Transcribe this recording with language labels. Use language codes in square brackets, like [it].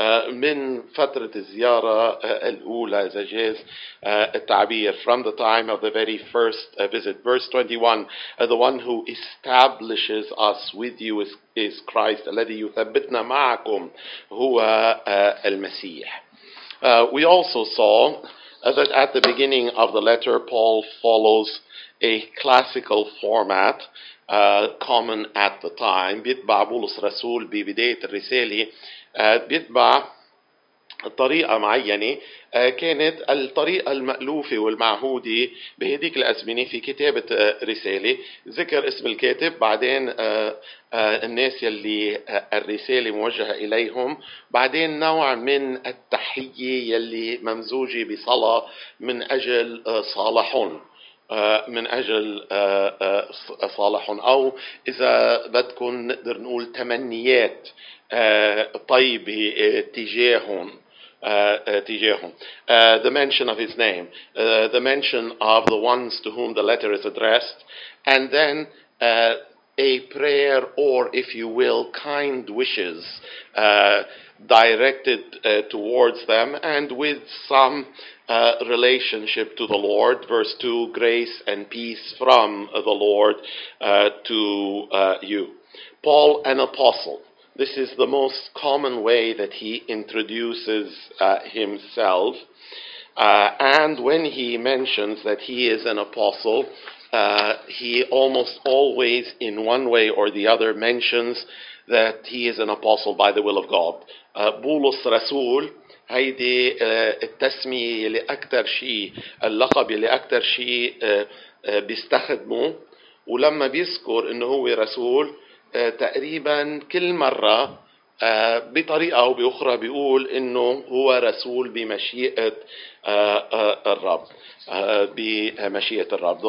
[ar] من فترة الزيارة الأولى إذا جاز التعبير. [en] From the time of the very first visit. Verse 21. The one who establishes us with you is Christ. [ar] الذي يثبتنا معكم هو المسيح. [en] We also saw that at the beginning of the letter, Paul follows a classical format common at the time. [ar] بيتبع بولس رسول ببداية الرسالة بيتبع طريقة معينة كانت الطريقة المألوفة والمعهودة بهديك الأزمنة في كتابة رسالة. ذكر اسم الكاتب بعدين الناس يلي الرسالة موجهة إليهم بعدين نوع من التحية يلي ممزوجة بصلاة من أجل صالحون من أجل صالحون أو إذا بدكن نقدر نقول تمنيات طيبة تجاههم [en] the mention of his name, the mention of the ones to whom the letter is addressed, and then a prayer or, if you will, kind wishes directed towards them and with some relationship to the Lord. Verse 2, grace and peace from the Lord to you. Paul, an apostle. This is the most common way that he introduces himself. And when he mentions that he is an apostle, he almost always, in one way or the other, mentions that he is an apostle by the will of God. [ar] بولس رسول, هيدي التسمية اللي أكتر شيء, اللقب اللي أكتر شيء بيستخدمه, ولما بيذكر إنه هو رسول, تقريبا كل مرة بطريقة أو بأخرى بيقول إنه هو رسول بمشيئة الرب بمشيئة الرب.